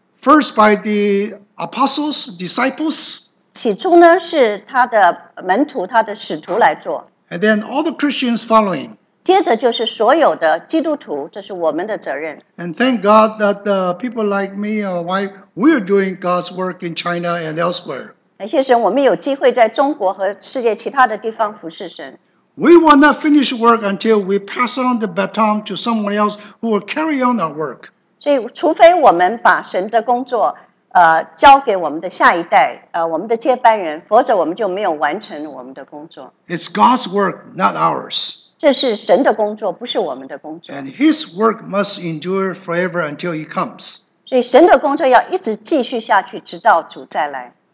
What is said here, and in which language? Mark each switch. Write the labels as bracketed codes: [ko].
[en] First, by the apostles, disciples. [zh] 起初呢，是他的门徒，他的使徒来做。 [en] And then all the Christians following. [zh] 接着就是所有的基督徒，这是我们的责任。 [en] And thank God that people like me or my wife, we are doing God's work in China and elsewhere. [zh] 感谢神，我们有机会在中国和世界其他的地方服侍神。 [en] We will not finish work until we pass on the baton to someone else who will carry on our work. [zh] 所以，除非我们把神的工作，交给我们的下一代，我们的接班人，否则我们就没有完成我们的工作。 [en] It's God's work, not ours. [zh] 这是神的工作，不是我们的工作。 [en] And His work must endure forever until He comes. [zh] 所以，神的工作要一直继续下去，直到主再来。